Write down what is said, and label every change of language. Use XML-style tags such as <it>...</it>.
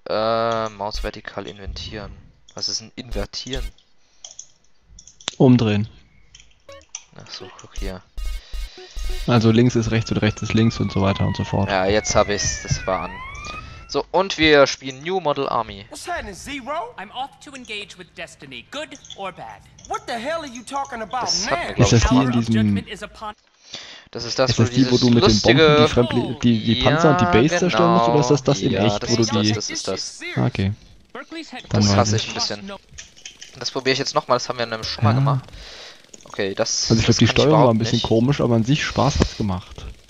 <de>Maus vertikal invertieren. Was ist ein Invertieren? Umdrehen. Achso, guck hier. Also links ist rechts und rechts ist links und so weiter und so fort. Ja, jetzt habe ich's, das war an. So, und wir spielen New Model Army.</de> <en>What's happening, Zero? I'm off to engage with Destiny, good or bad. What the hell are you talking about, man?</en> <de>Ist das die in diesem... Das ist das, ist das die, wo du mit den Bomben die Panzer und die Base zerstören musst, oder ist das das in echt, wo du die... Ja, das ist das. Okay. Dann das hasse ich ein bisschen. Das probiere ich jetzt nochmal, das haben wir nämlich schon mal gemacht. Okay, das, also ich glaube, die Steuerung war ein bisschen komisch, aber an sich Spaß hat's gemacht.</de>